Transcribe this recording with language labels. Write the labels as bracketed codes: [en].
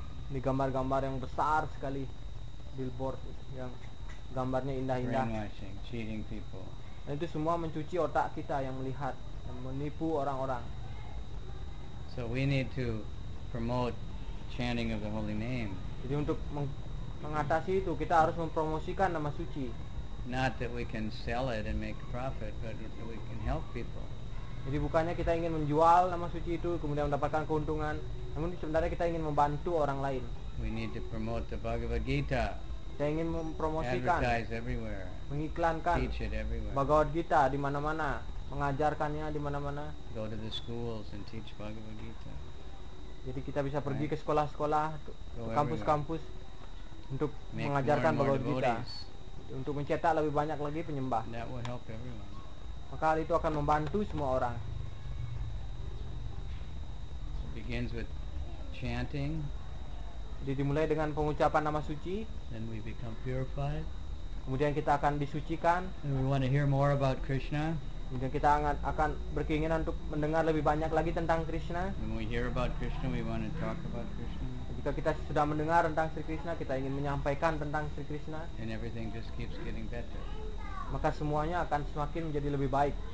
[id] Ini gambar-gambar yang besar sekali, billboard yang gambarnya indah-indah. [en] Brainwashing, cheating people. [id] Dan itu semua mencuci otak kita yang melihat dan menipu orang-orang. [en] So we need to promote chanting of the holy name. [id] Jadi untuk mengatasi itu kita harus mempromosikan nama suci. [en] Not that we can sell it and make profit, but that we can help people. [id] Jadi bukannya kita ingin menjual nama suci itu kemudian mendapatkan keuntungan, namun sebenarnya kita ingin membantu orang lain. [en] We need to promote the Bhagavad Gita. [id] Saya ingin mempromosikan, mengiklankan Bhagavad Gita di mana-mana, mengajarkannya di mana-mana. [en] Go to the schools and teach Bhagavad Gita. [id] Jadi kita bisa pergi ke sekolah-sekolah, ke kampus-kampus [en] everywhere. [id] Untuk [en] make [id] mengajarkan [en] more [id] Bhagavad [en] more [id] Gita, untuk mencetak lebih banyak lagi penyembah. [en] That will help everyone. [id] maka hal itu akan membantu semua orang. [en] It begins with chanting. [id] Jadi dimulai dengan pengucapan nama suci. [en] Then we become purified. [id] Kemudian kita akan disucikan. [en] And we want to hear more about Krishna. [id] Kemudian kita akan berkeinginan untuk mendengar lebih banyak lagi tentang Krishna. [en] When we hear about Krishna, we want to talk about Krishna. [id] Jika kita sudah mendengar tentang Sri Krishna, kita ingin menyampaikan tentang Sri Krishna. [en] And everything just keeps getting better. [id] Maka semuanya akan semakin menjadi lebih baik.